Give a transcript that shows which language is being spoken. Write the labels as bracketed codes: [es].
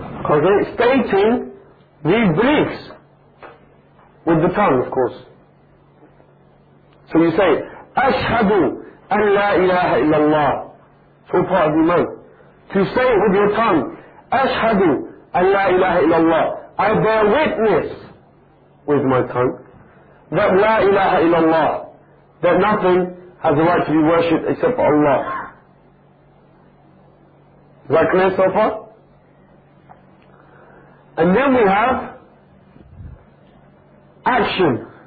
[en] Okay, stating these beliefs with the tongue, of course. So you say, [ar] أشهد أن لا إله إلا الله. [en] So far as you know. To say with your tongue, [ar] أشهد أن لا إله إلا الله. [en] I bear witness with my tongue that [ar] لا إله إلا الله, [en] that nothing has the right to be worshipped except Allah. Is that clear so far? And then we have action.